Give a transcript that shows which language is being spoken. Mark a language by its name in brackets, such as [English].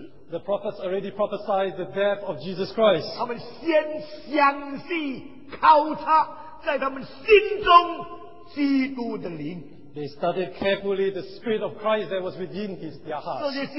[English] the prophets already prophesied the death of Jesus Christ. [Chinese] 他们先相信靠他在他们心中基督的灵。 [English] They studied carefully the spirit of Christ that was within their hearts.